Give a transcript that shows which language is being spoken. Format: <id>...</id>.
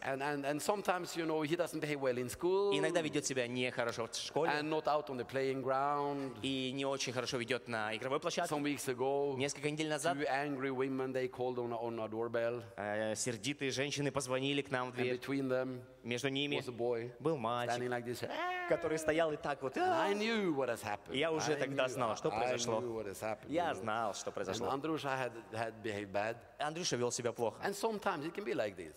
<en>And sometimes, you know, he doesn't behave well in school.</en> <ru>Иногда ведет себя нехорошо в школе.</ru> <en>And not out on the playing ground.</en> <ru>И не очень хорошо ведет на игровой площадке.</ru> <en>Some weeks ago.</en> <ru>Несколько недель назад.</ru> <en>Two angry women, they called on our doorbell.</en> <ru>Сердитые женщины позвонили к нам в дверь.</ru> <en>And between them.</en> <ru>Между ними.</ru> <en>Was a boy.</en> <ru>Был мальчик.</ru> <en>Standing like this.</en> <ru>Который стоял и так вот.</ru> <en>I knew what has happened.</en> <ru>Я уже тогда знал, что произошло.</ru> <en>I knew what has happened.</en> <ru>Я знал, что произошло.</ru> <en>Andrusha had behaved bad.</en> <ru>Андрюша вел себя плохо.</ru> <en>And sometimes it can be like this.</en>